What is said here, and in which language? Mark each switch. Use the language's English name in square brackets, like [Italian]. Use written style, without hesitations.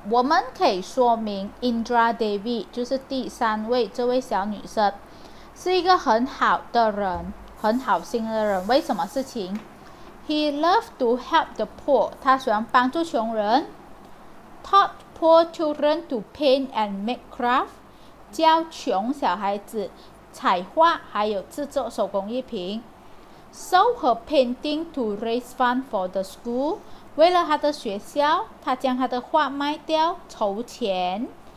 [Chinese] 我们可以说明 Indra Devi 就是第三位这位小女生是一个很好的人，很好心的人。为什么事情？ [English] He loved to help the poor. [Chinese] 他喜欢帮助穷人。 [English] Taught poor children to paint and make craft. [Chinese] 教穷小孩子彩画还有制作手工艺品。 [English] Sold her painting to raise funds for the school. [Chinese] 为了他的学校，他将他的画卖掉筹钱。